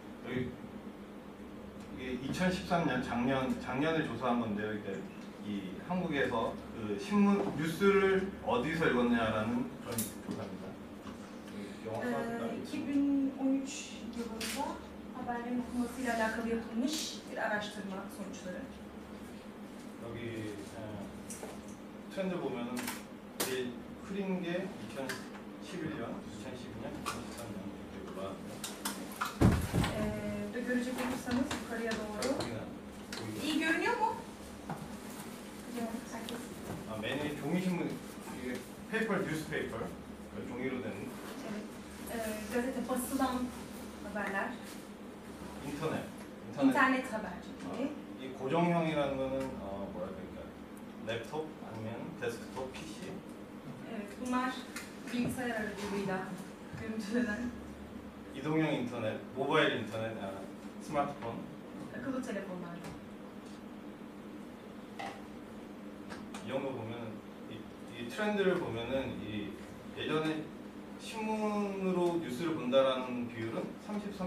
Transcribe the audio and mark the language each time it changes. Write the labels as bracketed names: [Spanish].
[Korean] 2013년 작년에 조사한 건데요. 이게 이 한국에서 그 신문 뉴스를 어디서 읽었냐라는 그런 조사입니다. [Turkish] 2013 yılında haberlerin okumasıyla alakalı yapılmış bir araştırma sonuçları. [Korean] 여기 트렌드 보면 이제 흐린 게 2011년, 2012년, 2013년 이렇게 나왔네요. [Turkish] görecek olursanız yukarıya doğru. 이 görünüyor mu? [Korean] 아, 맨 위에 종이 신문 이게 페이퍼 뉴스페이퍼 그러니까 종이로 된 [Turkish] gazete basılan haberler. [Korean] 인터넷. [Turkish] 인터넷 haber. [Korean] 이 고정형이라는 거는 뭐라고 할까? 랩톱 아니면 데스크톱 PC. 예, [Turkish] bunlar bilgisayar aracılığıyla [Korean] 연결되는 이동형 인터넷, 모바일 인터넷, 스마트폰. 그거 전에 이런 거 보면 이 트렌드를 보면은 이 예전에 신문으로 뉴스를 본다라는 비율은 33.8%.